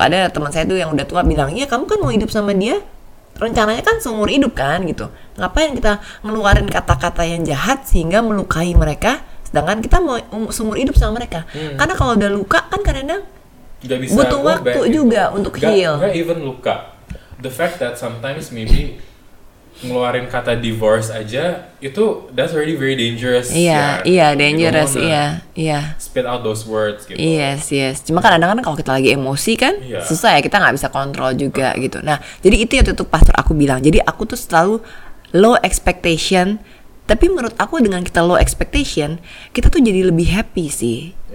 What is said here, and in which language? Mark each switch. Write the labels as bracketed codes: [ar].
[id] Ada teman saya tuh yang udah tua bilang, iya kamu kan mau hidup sama dia, rencananya kan seumur hidup kan gitu, ngapain kita ngeluarin kata-kata yang jahat sehingga melukai mereka, sedangkan kita mau seumur hidup sama mereka. Karena kalau udah luka kan kadang-kadang bisa butuh waktu juga untuk heal. Gak [en] even [id] luka. [en] The fact that sometimes maybe [id] ngeluarin kata [en] divorce [id] aja itu [en] that's already very dangerous. [id] Iya, dangerous. [en] Spit out those words [id] gitu. [en] Yes. [id] Cuma kan kadang-kadang kalau kita lagi emosi kan susah ya, kita nggak bisa kontrol juga gitu. Nah jadi itu yang tutup pastor aku bilang. Jadi aku tuh selalu [en] low expectation. [id] Tapi menurut aku dengan kita low expectation, kita tuh jadi lebih happy sih.